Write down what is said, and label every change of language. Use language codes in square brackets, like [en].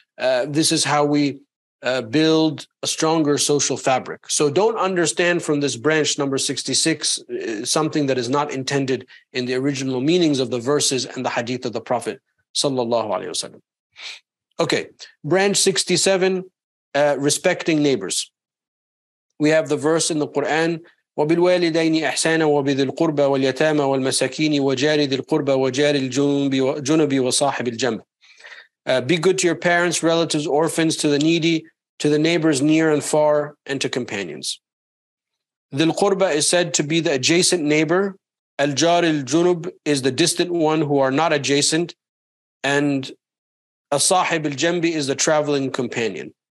[en] This is how we build a stronger social fabric. So don't understand from this branch number 66 something that is not intended in the original meanings of the verses and the hadith of the Prophet sallallahu alaihi wasallam. Okay, branch 67, respecting neighbors. We have the verse in the Quran, [ar] وَبِالْوَالِدَيْنِ إِحْسَانًا وَبِذِي الْقُرْبَى وَالْيَتَامَى وَالْمَسَكِينِ وَجَارِ ذِي الْقُرْبَى وَجَارِ الْجُنُبِ وَصَاحِبِ الْجَنْبِ. [en] Be good to your parents, relatives, orphans, to the needy, to the neighbors near and far, and to companions. [ar] ذِي الْقُرْبَى [en] is said to be the adjacent neighbor. [ar] الْجَارِ الْجُنُبِ [en] is the distant one who are not adjacent. And [ar] صَاحِبِ الْجَنْبِ [en] is the traveling companion.